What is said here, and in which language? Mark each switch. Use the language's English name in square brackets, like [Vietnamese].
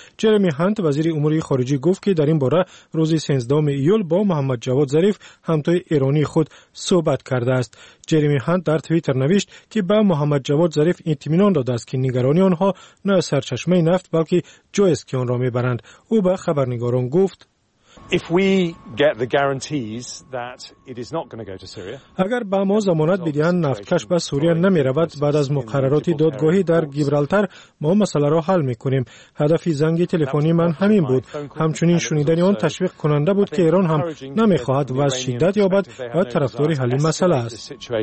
[Persian] جرمی هانت وزیر امور خارجه گفت که در این باره روز 13 ایول با محمد جواد ظریف همتای ایرانی خود صحبت کرده است. جرمی هانت در توییتر نوشت که به محمد جواد ظریف اطمینان داده است که نگرانی آنها نه سرچشمه نفت بلکه جایست که آن را میبرند. او به خبرنگاران گفت [English] If we get the guarantees that it is not going to go to Syria. [Persian] اگر به ما ضمانت بدهند نفتکش به سوریه نمیرود، بعد از مقررات دادگاهی در گیبرالتر ما مسئله را حل میکنیم. هدف زنگ تلفنی من همین بود. همچنین شنیدن آن تشویق کننده بود که ایران هم نمیخواهد و از شدت یابد و طرفداری حل مسئله است.